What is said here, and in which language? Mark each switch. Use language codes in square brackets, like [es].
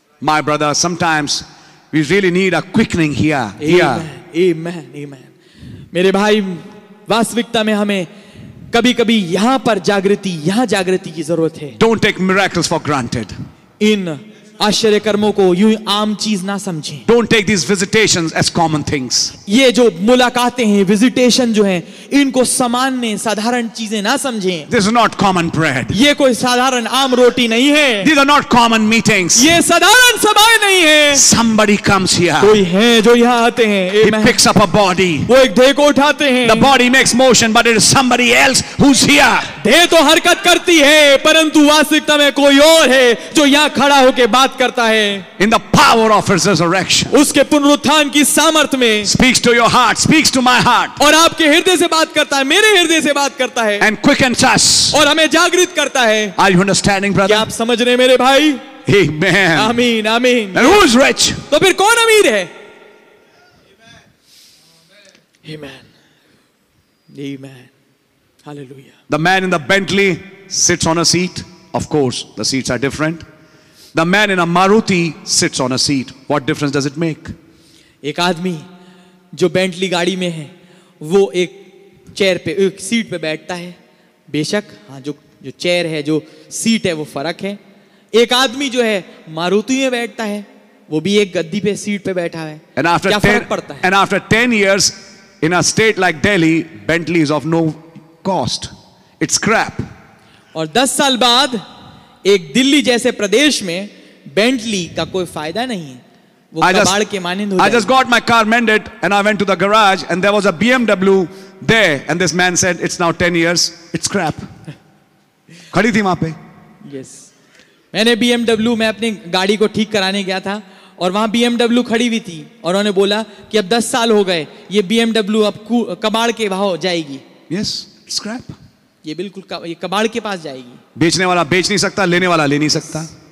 [en] My brother, sometimes we really need a quickening here. Amen, amen. [hi] मेरे भाई वास्तविकता में हमें कभी कभी यहां पर जागृति यहां जागृति की जरूरत है. [en] Don't take miracles for granted. [hi] इन आश्चर्य कर्मों को यूं आम चीज ना समझें. [en] Don't take these visitations as common things. [hi] ये जो मुलाकातें हैं, visitation जो हैं, इनको सामान्य साधारण चीजें ना समझें. [en] This is not common bread. [hi] ये कोई साधारण आम रोटी नहीं है. [en] These are not common meetings. [hi] ये साधारण सभाएं नहीं है. [en] Somebody comes here. [hi] कोई है जो यहाँ आते हैं. [en] He picks up a body. [hi] वो एक देह को उठाते हैं. [en] The body makes motion, but it is somebody else who's here. [hi] देह तो हरकत करती है, परंतु वास्तविकता में कोई और है जो यहाँ खड़ा होके बात करता है. [en] In the power of his resurrection, [hi] उसके पुनरुत्थान की सामर्थ में, [en] speaks to your heart, speaks to my heart, [hi] और आपके हृदय से बात करता है, मेरे हृदय से बात करता है, [en] and quickens us, [hi] और हमें जागृत करता है. [en] Are you understanding, brother? [hi] क्या आप समझ रहे हैं मेरे भाई? [en] Amen. [hi] आमीन, आमीन. [en] And who's rich? [hi] तो फिर कौन अमीर है? [en] Amen. Amen. Hallelujah. The man in the Bentley sits on a seat. Of course, the seats are different. The man in a Maruti sits on a seat. What difference does it make? [hi] एक आदमी जो Bentley गाड़ी में है वो एक chair पे एक सीट पे बैठता है. बेशक हाँ, जो जो चेयर है, जो सीट है, वो फर्क है. एक आदमी जो है मारुति में बैठता है, वो भी एक गद्दी पे सीट पे बैठा है. [en] And after [hi] क्या फर्क पड़ता है? [en] And after 10 years in a state like Delhi, Bentley is of no cost. It's scrap. [hi] और 10 साल बाद एक दिल्ली जैसे प्रदेश में बेंटली का कोई फायदा नहीं है. वो कबाड़ के मानिंद हो गया. [en] I just got my car mended and I went to the garage and there was a BMW there and this man said it's now 10 years, it's scrap. [hi] खड़ी थी वहां पे. [en] Yes. [hi] मैंने BMW में अपनी गाड़ी को ठीक कराने गया था और वहां BMW खड़ी हुई थी और उन्होंने बोला कि अब 10 साल हो गए, ये BMW अब कबाड़ के भाव जाएगी. [en] Yes, scrap. [hi] ये बिल्कुल ये कबाड़ के पास जाएगी. बेचने वाला बेच नहीं सकता, लेने वाला ले नहीं सकता.